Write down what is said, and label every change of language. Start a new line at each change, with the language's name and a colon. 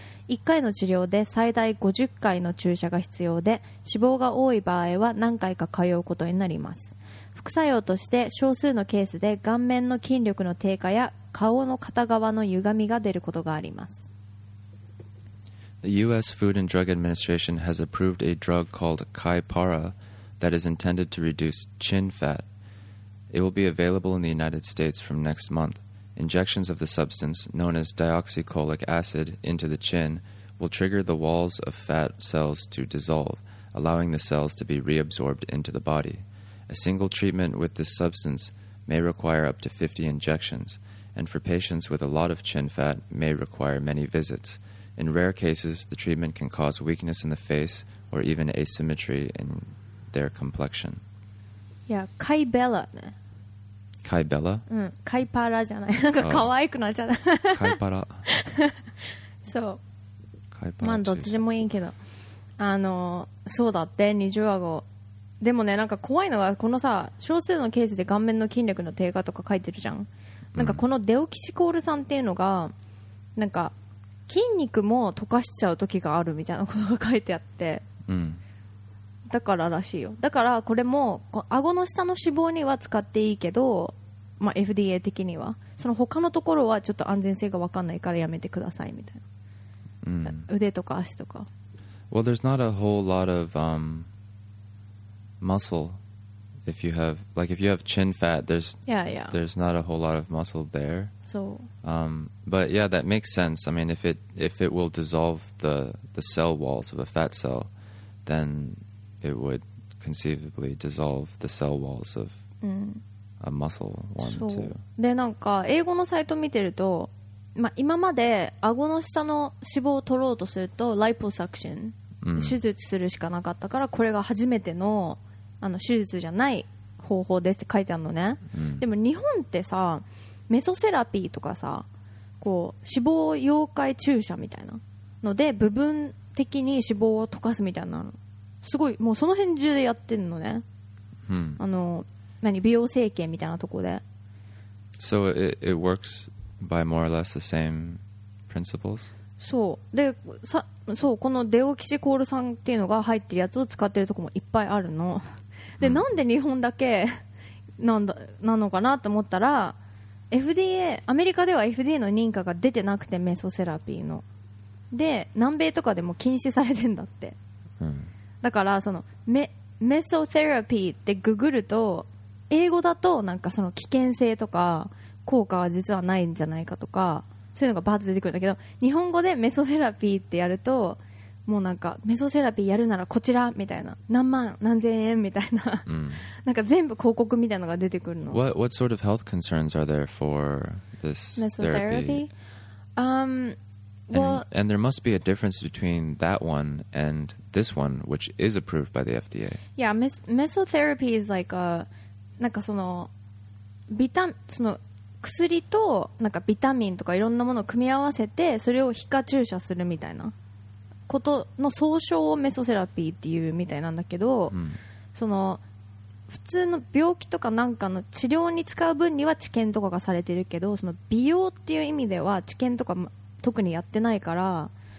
Japanese: 1回の治療で最大50回の注射が必要で、脂肪が多い場合は何回か通うことになります。副作用として少数のケースで顔面の筋力の低下や顔の片側の歪みが出ることがあります。
English: The U.S. Food and Drug Administration has approved a drug called Kaipara that is intended to reduce chin fat. It will be available in the United States from next month. Injections of the substance, known as deoxycholic acid, into the chin will trigger the walls of fat cells to dissolve, allowing the cells to be reabsorbed into the body. A single treatment with this substance may require up to 50 injections, and for patients with a lot of chin fat may require many visits. In rare cases, the treatment can cause weakness in the face or even asymmetry in their complexion. Yeah, Kaibella. Kaibella?
Japanese: Kaipara じゃない。なんか可愛くなっちゃう。Kaipara. そう。 Kaipara. まあどっちでもいいけど。あの、そうだって、二重顎。でもね、なんか怖いのがこのさ、少数のケースで顔面の筋力の低下とか書いてるじゃん。なんかこのデオキシコール酸っていうのが、なんか筋肉も溶かしちゃう時があるみたいなことが書いてあって、だかららしいよ。だからこれも顎の下の脂肪には使っていいけど、まあ、FDA 的にはその他のところはちょっと安全性が分かんないからやめてくださいみたいな、腕とか足とか。
English: Well, there's not a whole lot of muscle. If you have, like, if you have chin fat, there's, there's not a whole lot of muscle there. So, But yeah, that makes sense. I mean, if it will dissolve the cell walls of a fat cell, then it would conceivably dissolve the cell walls of a muscle one too.
Japanese: で、なんか英語のサイト見てると、まあ、今まで顎の下の脂肪を取ろうとすると、リポサクション、手術するしかなかったから、これが初めての、あの、手術じゃない方法ですって書いてあるのね。でも日本ってさ、メソセラピーとかさ、こう脂肪溶解注射みたいなので部分的に脂肪を溶かすみたいなの、すごいもうその辺中でやってんのね。あの、何、美容整形みたいなとこで。
English: So it works by more or less the same principles?
Japanese: そうで、さ、そう、このデオキシコール酸っていうのが入ってるやつを使ってるとこもいっぱいあるので、なんで日本だけなのかなと思ったら、FDA、 アメリカでは FDA の認可が出てなくて、メソセラピーので、南米とかでも禁止されてんだって。だからその メソセラピーってググると、英語だとなんかその危険性とか効果は実はないんじゃないかとか、そういうのがバーッと出てくるんだけど、日本語でメソセラピーってやると、もうなんかメソセラピーやるならこちらみたいな、何万何千円みたいな、なんか全部広告みたいなのが出てくるの。
English: What sort of health concerns are there for this therapy? And there must be a difference between that one and this one, which is approved by the FDA. Yeah, mesotherapy is like a,
Japanese: なんかそのビタミン、その薬となんかビタミンとかいろんなものを組み合わせて、それを皮下注射するみたいなことの総称をメソセラピーっていうみたいなんだけど、その普通の病気とかなんかの治療に使う分には治験とかがされてるけど、その美容っていう意味では治験とか特にやってないから、